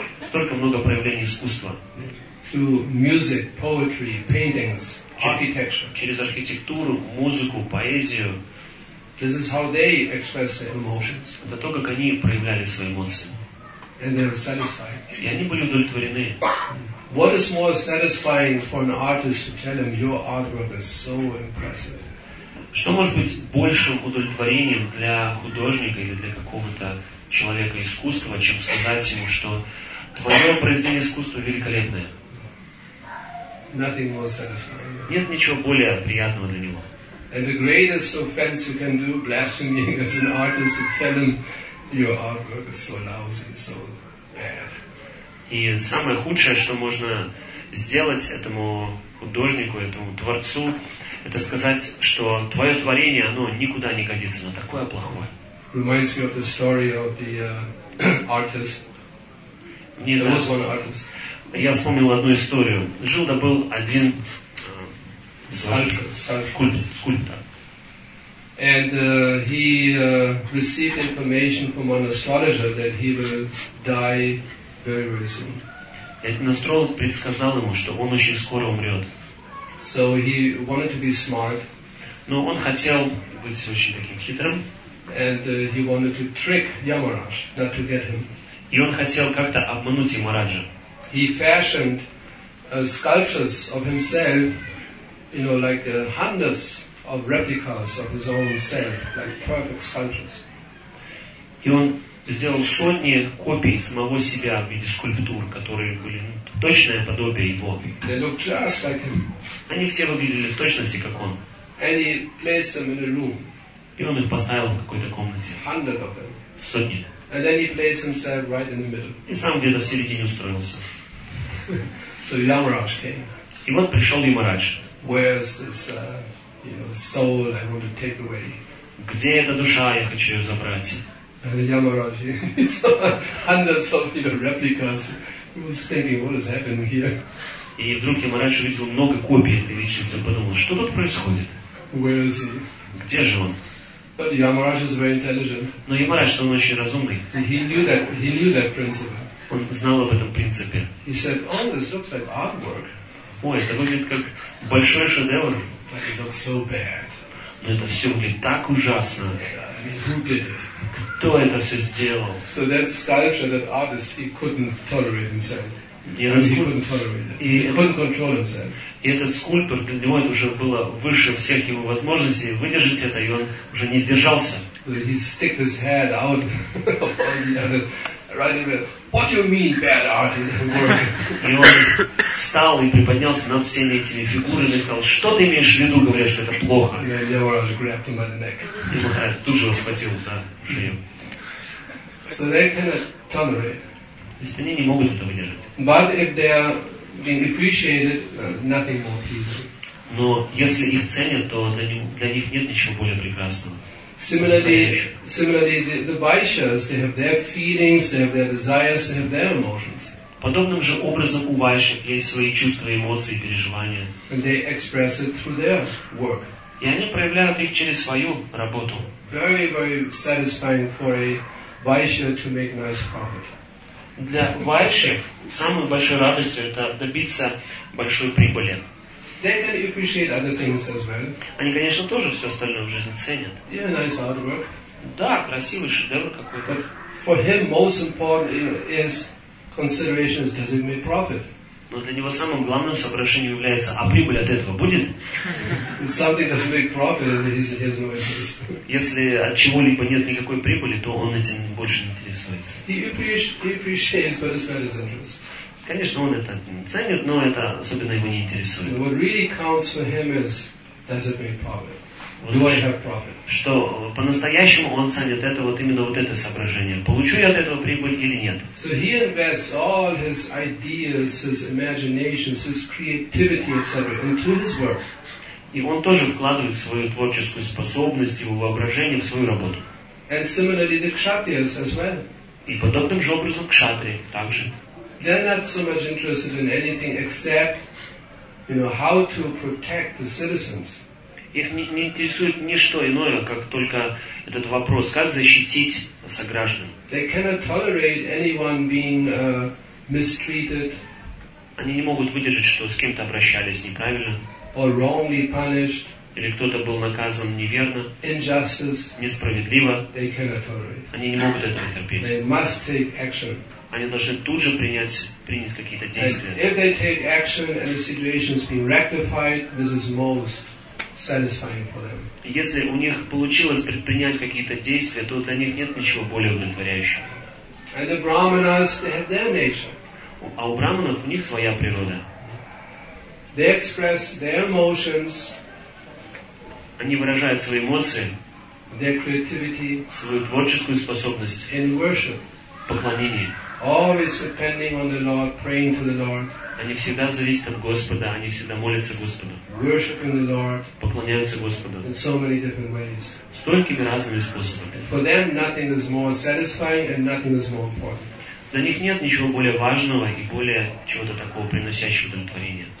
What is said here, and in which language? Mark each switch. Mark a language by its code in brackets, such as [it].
[ru] Столько много проявлений искусства. [en] Through music, poetry, paintings, architecture. [ru] Через архитектуру, музыку, поэзию. [en] This is how they express their emotions. [ru] Это то, как они проявляли свои эмоции. [en] And they were satisfied. [ru] И они были удовлетворены. [en] What is more satisfying for an artist to tell him your artwork is so impressive? [ru] Что может быть большим удовлетворением для художника или для какого-то человека искусства, чем сказать ему, что твое произведение искусства великолепное? [en] Nothing more satisfying. [ru] Нет ничего более приятного для него. [en] And the greatest offense you can do, blaspheming as an artist, is telling your artwork is so lousy, so bad. [ru] И самое худшее, что можно сделать этому художнику, этому творцу, это сказать, что твое творение, оно никуда не годится, но такое плохое. [en] Reminds me of the story of the artist. There was one artist. [ru] Я вспомнил одну историю. Жил да был один скульптор. [en] And he received information from an astrologer that he will die very, very soon. [ru] Этот астролог предсказал ему, что он очень скоро умрет. [en] So he wanted to be smart. [ru] Но он хотел быть очень таким хитрым. [en] And he wanted to trick Yamaraj, not to get him. [ru] И он хотел как-то обмануть Ямараджа. [en] He fashioned sculptures of himself, you know, like hundreds of replicas of his own self, like perfect sculptures. [ru] И он сделал сотни копий самого себя в виде скульптур, которые были точное подобие его. [en] They look just like him. [ru] Они все выглядели в точности, как он. [en] And he placed them in a room. [ru] И он их поставил в какой-то комнате. [en] Hundreds of them. [ru] В сотни. [en] And then he placed himself right in the middle. [ru] И сам где-то в середине устроился. [en] So Yamaraj came. [ru] И вот пришел Ямарадж. [en] Where's this soul I want to take away? [ru] Где эта душа, я хочу ее забрать? [en] Yamaraj, hundreds of replicas. He was thinking, what is happening here? [ru] И вдруг я раньше видел много копий этой личности, подумал, что тут происходит? [en] Where is he? [ru] Где же он? [en] But Yamaraj is very intelligent. [ru] Но Ямарадж, он очень разумный. [en] He knew that principle. [ru] Он знал об этом принципе. [en] He said, oh, this looks like artwork. [ru] Ой, это выглядит как большой шедевр. [en] But it looks so bad. [ru] Но это все выглядит так ужасно. [en] Who did it? [ru] Кто это все сделал? [en] So that sculpture, that artist, he couldn't tolerate himself. He couldn't control himself. [ru] И этот скульптор, для него это уже было выше всех его возможностей выдержать это, и он уже не сдержался. [en] So he sticked his head out right in the middle. What do you mean, bad art? [ru] И он с встал и приподнялся над всеми этими фигурами и сказал, что ты имеешь в виду, говоря, что это плохо. И Деварадж [en] grabbed him by the neck. [ru] И Махарадж тут же его схватил за шею. [en] So they cannot tolerate. [ru] То есть они не могут этого выдержать. [en] But if they are being appreciated, nothing more pleasing. [ru] Но если их ценят, то для них нет ничего более прекрасного. [en] Similarly, the Vaishyas, they have their feelings, they have their desires, they have their emotions. [ru] Подобным же образом у Вайшев есть свои чувства, эмоции, переживания. [en] And they express it through their work. [ru] И они проявляют их через свою работу. [en] Very, very satisfying for a Vaishya to make nice profit. [ru] Для Вайшев самой большой радостью это добиться большой прибыли. [en] They can appreciate other things as well. [ru] Они, конечно, тоже все остальное в жизни ценят. [en] Yeah, nice artwork. [ru] Да, красивый шедевр какой-то. [en] But for him, most important is consideration: does it make profit? [ru] Но для него самым главным соображением является: а прибыль от этого будет? [en] If something doesn't make profit, then he has no interest. [ru] Если от чего-либо нет никакой прибыли, то он этим больше не интересуется. [en] He appreciates, but it's not his interest. [ru] Конечно, он это ценит, но это особенно его не интересует. [en] What really counts for him is, does it make profit? Do I have profit? [ru] Что по-настоящему он ценит это вот именно вот это соображение. Получу я от этого прибыль или нет? [en] So he invests all his ideas, his imaginations, his creativity, etc. into his work. [ru] И он тоже вкладывает свою творческую способность, его воображение в свою работу. [en] And similarly the kshatriyas as well. [ru] И подобным же образом кшатри также. [en] They're not so much interested in anything except, you know, how to protect the citizens. [ru] Их не интересует ничто иное, как только этот вопрос, как защитить сограждан. [en] They cannot tolerate anyone being mistreated. [ru] Они не могут выдержать, что с кем-то обращались неправильно. [en] Or wrongly punished. [ru] Или кто-то был наказан неверно. [en] Injustice. [ru] Несправедливо. [en] They cannot tolerate. [ru] Они не могут этого терпеть. [en] They must take action. [ru] Они должны тут же принять какие-то действия. [en] And if they take action and the situation is being rectified, this is most satisfying for them. [ru] Если у них получилось предпринять какие-то действия, то для них нет ничего более удовлетворяющего. [en] And the brahmanas, they have their nature. [ru] А у брахманов у них своя природа. [en] They express their emotions. [ru] Они выражают свои эмоции. [en] Their creativity. [ru] Свою творческую способность. [en] In worship. [ru] В поклонении. [en] Always depending on the Lord, praying to the Lord. [ru] Они всегда зависят от Господа, они всегда молятся Господу. [en] Worshiping the Lord. [ru] Поклоняются Господу. [en] In so many different ways. [ru] Столькими разными способами. [en] For them, nothing is more satisfying and nothing is more important. [ru] Для них нет ничего более важного и более чего-то такого приносящего удовлетворение.